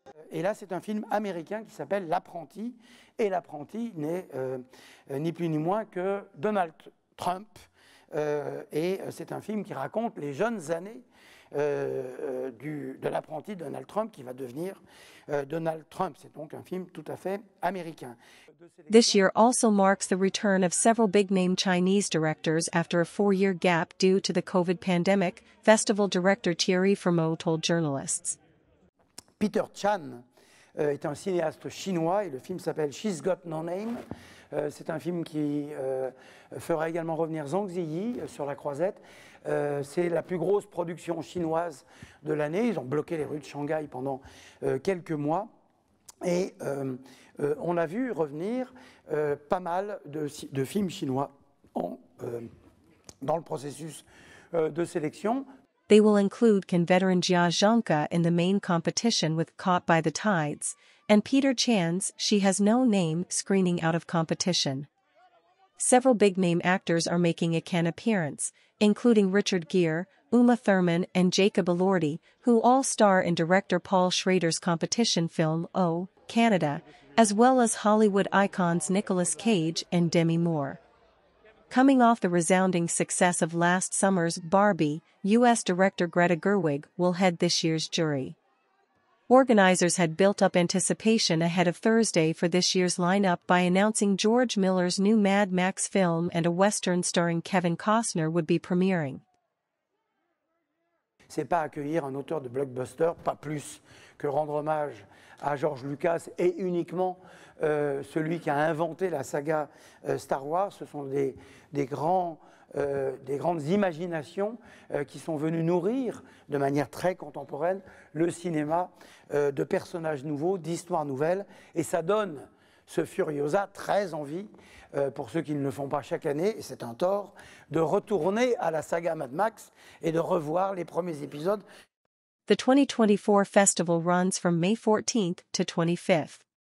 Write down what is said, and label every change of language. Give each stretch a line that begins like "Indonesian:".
French: Et là, c'est un film américain qui s'appelle L'Apprenti, et L'Apprenti n'est ni plus ni moins que Donald Trump, et c'est un film qui raconte les jeunes années de l'apprenti Donald Trump qui va devenir Donald Trump. C'est donc un film tout à fait américain.
English: This year also marks the return of several big-name Chinese directors after a four-year gap due to the COVID pandemic, festival director Thierry Fremaux told journalists.
French: Peter Chan est un cinéaste chinois et le film s'appelle She's Got No Name. C'est un film qui fera également revenir Zhang Ziyi sur la croisette. C'est la plus grosse production chinoise de l'année. Ils ont bloqué les rues de Shanghai pendant quelques mois. Et on a vu revenir pas mal de films chinois dans le processus de sélection.
English: They will include Cannes veteran Jia Zhangka in the main competition with Caught by the Tides, and Peter Chan's She Has No Name screening out of competition. Several big-name actors are making a Cannes appearance, including Richard Gere, Uma Thurman and Jacob Elordi, who all star in director Paul Schrader's competition film O, Canada, as well as Hollywood icons Nicolas Cage and Demi Moore. Coming off the resounding success of last summer's Barbie, U.S. director Greta Gerwig will head this year's jury. Organizers had built up anticipation ahead of Thursday for this year's lineup by announcing George Miller's new Mad Max film and a Western starring Kevin Costner would be premiering.
French: C'est pas accueillir un auteur de blockbuster, pas plus que rendre hommage à George Lucas et uniquement celui qui a inventé la saga Star Wars. Ce sont des grandes imaginations qui sont venues nourrir de manière très contemporaine le cinéma de personnages nouveaux, d'histoires nouvelles. Et ça donne ce Furiosa très envie pour ceux qui ne le font pas chaque année, et c'est un tort, de retourner à la saga Mad Max et de revoir les premiers épisodes.
English: The 2024 festival runs from May 14th to 25th.